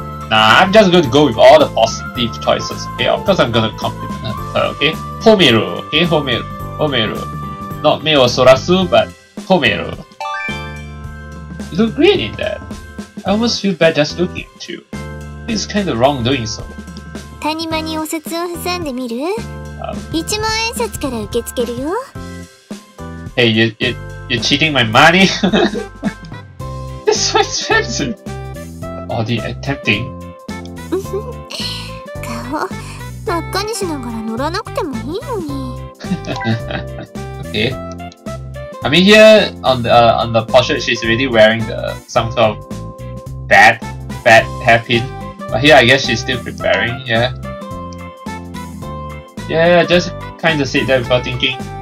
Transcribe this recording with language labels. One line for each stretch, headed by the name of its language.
English: Nah, I'm just going to go with all the positive choices, okay? Of course I'm going to compliment her, okay? Homeru, okay? Homeru. Homeru. Not Meo Sorasu, but Homeru. You look great in that. I almost feel bad just looking at you. It's kind of wrong doing so.
Japanese: 谷間にお札を挟んでみる1万円札から受け付けるよ。
English: Hey, you're cheating my money? It's so expensive! Are you attempting?
Japanese: 顔、真っ赤にしながら乗らなくてもいいのに。
English: Okay. I mean, here on the portrait, she's really wearing the, some sort of bad hairpin. But here, I guess she's still preparing, yeah. Yeah, just kind of sit there without thinking.